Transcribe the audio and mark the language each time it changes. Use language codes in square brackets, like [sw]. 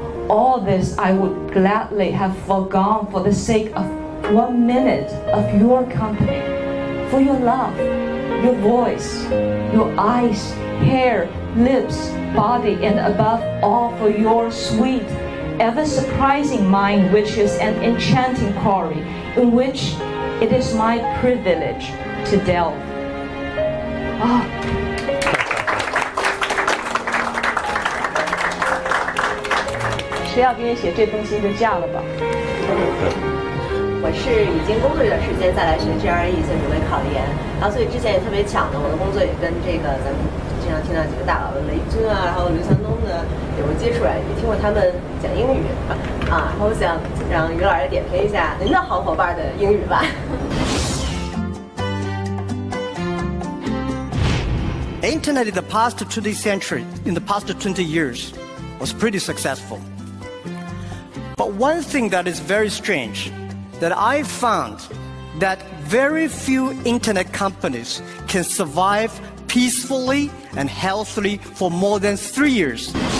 [en] All this I would gladly have forgone for the sake of 1 minute of your company, for your love, your voice, your eyes, hair, lips, body, and above all for your sweet,ever surprising mind, which is an enchanting quarry in which it is my privilege to delve. [zh] 啊，谁要给你写这封信就嫁了吧。我是已经工作一段时间再来学 GRE， 所以准备考研，然后所以之前也特别巧的，我的工作也跟这个咱们经常听到几个大佬的雷军啊，然后刘强东的有个接触，来也听过他们讲英语啊，然后我想让于老师点评一下您的好伙伴的英语吧。 [en] Internet in the past 20 century, in the past 20 years, was pretty successful. But one thing that is very strange, that I found that very few internet companies can survive peacefully and healthily for more than 3 years.